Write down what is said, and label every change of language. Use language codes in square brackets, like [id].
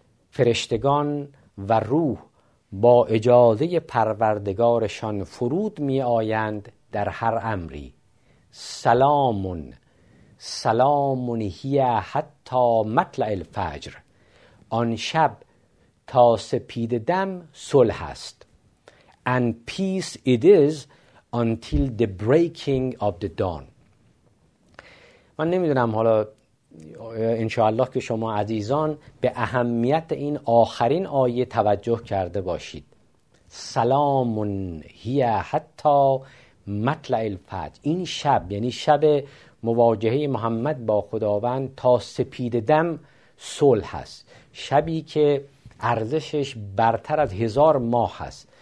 [fa] فرشتگان و روح با اجازه پروردگارشان فرود می آیند در هر امری. [ar] سلامون سلامون هیه حتی مطلع الفجر، [fa] آن شب تا سپید دم صلح است. [en] And peace it is until the breaking of the dawn. [fa] من نمیدونم حالا انشاءالله که شما عزیزان به اهمیت این آخرین آیه توجه کرده باشید. [ar] سلامون هی حتی مطلع الفجر. [fa] این شب یعنی شب مواجهه محمد با خداوند تا سپید دم صلح هست، شبی که ارزشش برتر از هزار ماه هست.